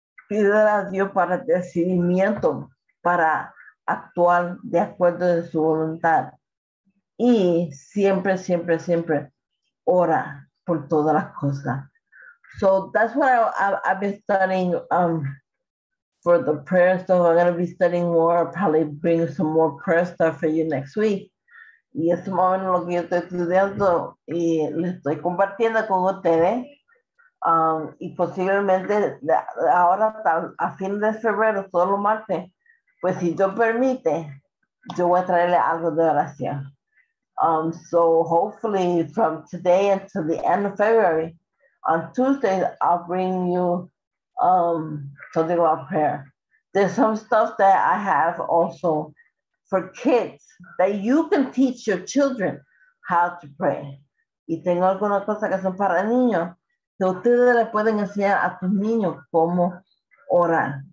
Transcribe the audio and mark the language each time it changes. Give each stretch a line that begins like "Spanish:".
Spanish: Pide a Dios para discernimiento, para actuar de acuerdo de su voluntad. Y siempre, siempre, siempre ora por todas las cosas.
English: So that's what I've been studying. For the prayer stuff, I'm going to be studying more. I'll probably bring some more prayer stuff for you next week.
Spanish: Y es más o menos lo que yo estoy estudiando y le estoy compartiendo con ustedes. Y posiblemente ahora, a fin de febrero, todos los martes, pues si Dios permite, yo voy a traerle algo de oración.
English: So hopefully from today until the end of February, on Tuesday, I'll bring you something about prayer. There's some stuff that I have also for kids that you can teach your children how to pray.
Spanish: Y tengo algunas cosas que son para niños que ustedes le pueden enseñar a tus niños cómo orar.